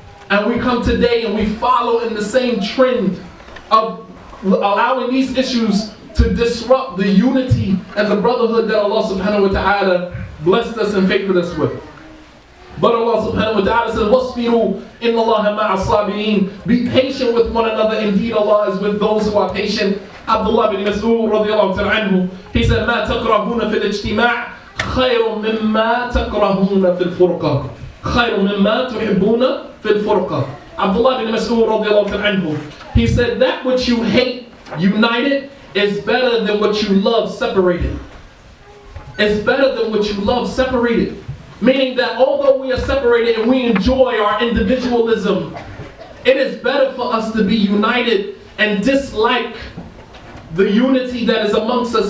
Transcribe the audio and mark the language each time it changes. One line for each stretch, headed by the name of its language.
English: And we come today and we follow in the same trend of allowing these issues to disrupt the unity and the brotherhood that Allah subhanahu wa ta'ala blessed us and favored us with. But Allah subhanahu wa ta'ala says,
Arabic: وَاصْبِرُوا إِنَّ اللَّهَ مَعَ الصَّابِرِينَ.
English: Be patient with one another. Indeed, Allah is with those who are patient. Abdullah bin Mas'ud radiallahu ta'ala anhu, he said,
Arabic: مَا تَكْرَهُونَ فِي الْإِجْتِمَاعِ خَيْرٌ مِمَّا تَكْرَهُونَ فِي الْفُرْقَةِ خَيْرٌ مِمَّا تُحِبُّونَ فِي الْفُرْقَةِ.
English: Abdullah bin Mas'ud radiallahu ta'ala anhu, he said, that which you hate united is better than what you love separated. It's better than what you love separated. Meaning that although we are separated and we enjoy our individualism, it is better for us to be united and dislike the unity that is amongst us.